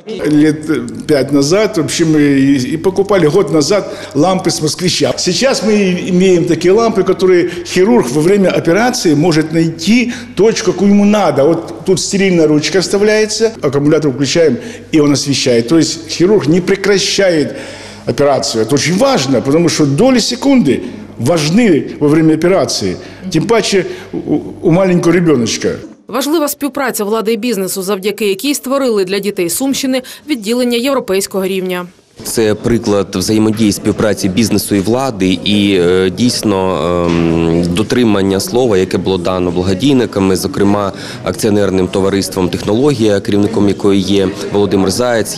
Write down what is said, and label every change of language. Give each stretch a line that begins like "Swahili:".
Ukrainian: Літ 5 назад, взагалі, ми і покупали год назад лампи з москвича. Зараз ми маємо такі лампи, які хірург в час операції може знайти точку, яку йому треба. От тут стерильна ручка вставляється, акумулятор включаємо і він освіщає. Тобто хірург
Russian: не прекращает операцию. Это очень важно, потому что доли секунды важны во время операции, тем паче у маленького ребеночка.
Ukrainian: Важлива співпраця влади і бізнесу, завдяки якій створили для дітей Сумщини відділення європейського рівня. Це приклад взаємодії, співпраці бізнесу і влади, і дійсно дотримання слова, яке було дано благодійниками, зокрема акціонерним товариством «Технологія», керівником якої є Володимир Заєць.